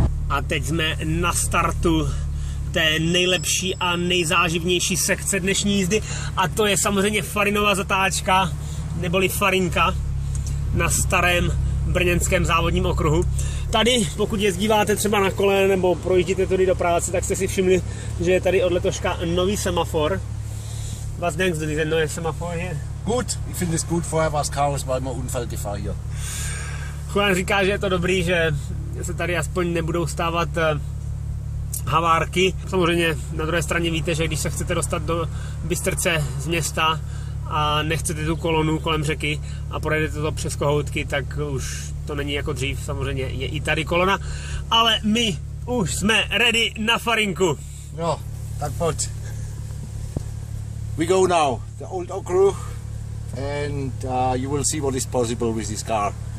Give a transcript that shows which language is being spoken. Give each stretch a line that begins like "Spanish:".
Czech: A teď jsme na startu té nejlepší a nejzáživnější sekce dnešní jízdy. A to je samozřejmě farinová zatáčka, neboli farinka, na starém brněnském závodním okruhu. Tady, pokud jezdíváte třeba na kole nebo projíždíte tady do práce, tak jste si všimli, že je tady od letoška nový semafor.
German: Was denkst du, dieser neue Semafor hier? Gut, ich finde es gut, vorher war es Chaos, war immer Unfallgefahr hier.
Czech: Juan říká, že je to dobrý, že se tady aspoň nebudou stávat havárky. Samozřejmě na druhé straně víte, že když se chcete dostat do Bystrce z města a nechcete tu kolonu kolem řeky a projedete to přes kohoutky, tak už to není jako dřív, samozřejmě je i tady kolona, ale my už jsme ready na farinku. No, tak pojď.
English: We go now, the old okruh, and you will see what is possible with this car.